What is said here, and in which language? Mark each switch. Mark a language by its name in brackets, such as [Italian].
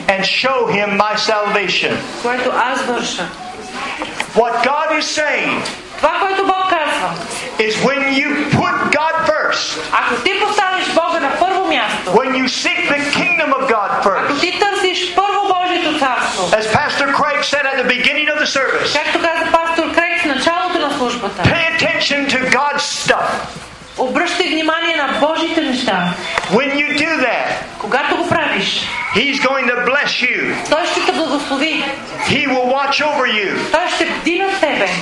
[English] And show him my salvation. [Bulgarian] Което аз върша. [English] What God is saying. [Bulgarian] Това, което Бог казва, [English] is when you put God first. [Bulgarian] Ако ти поставиш Бога на първо място. [English] When you seek the kingdom of God first. [Bulgarian] Ако ти търсиш първо Божието царство. [English] As Pastor Craig said at the beginning of the service. [Bulgarian] Както каза пастор Крейг в началото на службата. [English] Pay attention to God's stuff. [Bulgarian] Обръщай внимание на Божите неща. [English] When you do that. [Bulgarian] Когато го правиш. [English] He's going to bless you. [Bulgarian] Той ще те благослови. [English] He will watch over you. [Bulgarian] Той ще бди над тебе.